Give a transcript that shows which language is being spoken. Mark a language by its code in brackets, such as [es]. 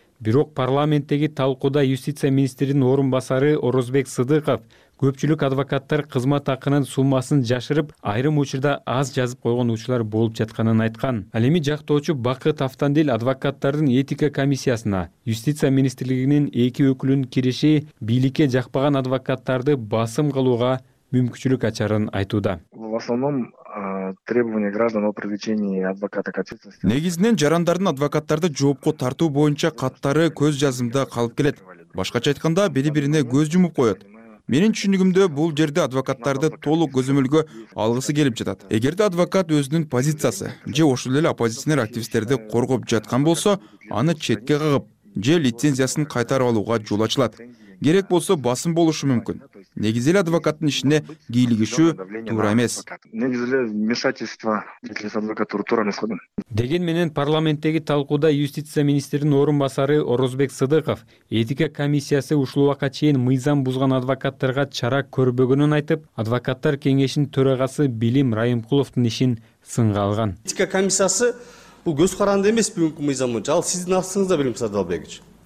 [ky] Бирок парламенттеги талкууда юстиция министринин орун басары Орозбек Сыдыков көпчүлүк адвокаттар кызмат акынын суммасын жашырып, айрым учурда аз жазып койгон учурлар болуп жатканын айткан. Ал эми жактоочу Бакыт Автандил адвокаттардын этика комиссиясына юстиция министрлигинин эки өкүлүнүн кириши бийликке жакпаган адвокаттарды басым кылууга мүмкүнчүлүк ачарын айтууда. [ru] В основном требования граждан о привлечении адвоката к ответственности. [ky] Негизинен жарандардын адвокаттарды жоопко тартуу боюнча каттары көз жазымда калып келет. Башкача айтканда, бири-бирине көз жумуп коет. Менин түшүнүгүмдө бул жерде адвокаттарды толук көзөмөлгө алгысы келип жатат. Эгерде адвокат өзүнүн позициясы же ошол эле оппозиционер активисттерди коргоп жаткан болсо, аны четке кагып, же лицензиясын кайтарып алууга жол ачылат. Керек болсо басым болушу мүмкүн. Негизи эле адвокаттын ишине кийлигишүү туура эмес. Негизи эле [ru] вмешательство адвокатуру [ky] туура эмес. Деген менен парламенттеги талкууда юстиция министринин орун басары Орозбек Сыдыков этика комиссиясы ушул убакка чейин мыйзам бузган адвокаттарга чара көрбөгөнүн айтып, адвокаттар кеңешинин төрагасы Билим Райымкуловдун ишин сынга алган. Этика комиссиясы бул көз каранды эмес бүгүнкү мыйзам боюнча, ал сиздин асыңызда билим Сардалбекович.